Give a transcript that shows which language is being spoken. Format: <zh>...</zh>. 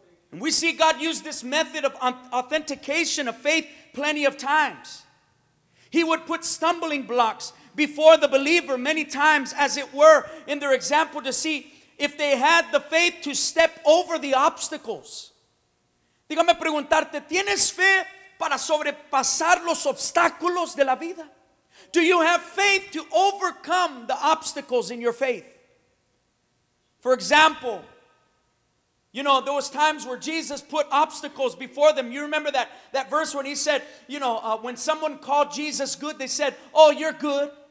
<en>And we see God use this method of authentication of faith plenty of times. He would put stumbling blocks before the believer many times, as it were, in their example to see if they had the faith to step over the obstacles.</en> <es>Dígame preguntarte, ¿tienes fe para sobrepasar los obstáculos de la vida?</es> <en>Do you have faith to overcome the obstacles in your faith? For example, you know, there was times where Jesus put obstacles before them. You remember that verse when he said, you know, when someone called Jesus good, they said, oh, you're good.</en>